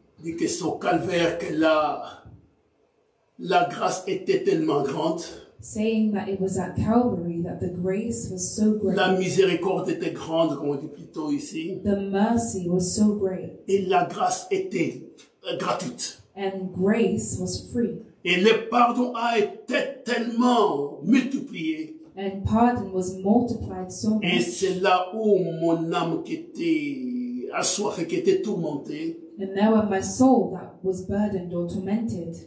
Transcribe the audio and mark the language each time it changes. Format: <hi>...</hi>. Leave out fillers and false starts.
<fr>Dit que son calvaire, que la grâce était tellement grande.</fr> <en>Saying that it was at Calvary that the grace was so great.</en> <fr>La miséricorde était grande, comme on dit plutôt ici.</fr> <en>The mercy was so great.</en> <fr>Et la grâce était gratuite.</fr> <en>And grace was free.</en> <fr>Et le pardon a été tellement multiplié.</fr> <en>And pardon was multiplied so much.</en> <fr>Et c'est là où mon âme qui était assoiffé, qui était tourmenté,</fr> <en>and now when my soul that was burdened or tormented</en>